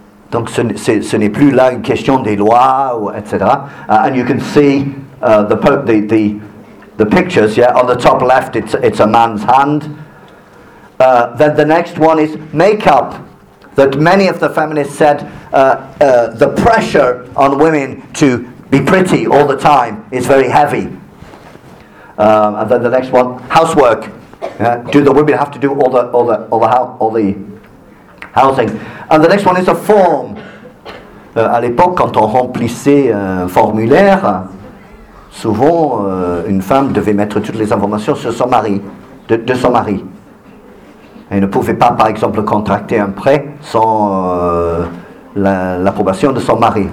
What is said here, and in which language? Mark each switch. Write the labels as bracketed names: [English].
[French] Donc ce n'est plus là une question des lois, etc. [English] And you can see the pictures, yeah, on the top left, it's a man's hand. Then the next one is makeup, that many of the feminists said the pressure on women to be pretty all the time is very heavy. And then the next one, housework. Do the women have to do all the housing? And the next one is a form. [French] À l'époque, quand on remplissait un formulaire, souvent une femme devait mettre toutes les informations sur son mari, de son mari. Elle ne pouvait pas, par exemple, contracter un prêt sans l'approbation de son mari.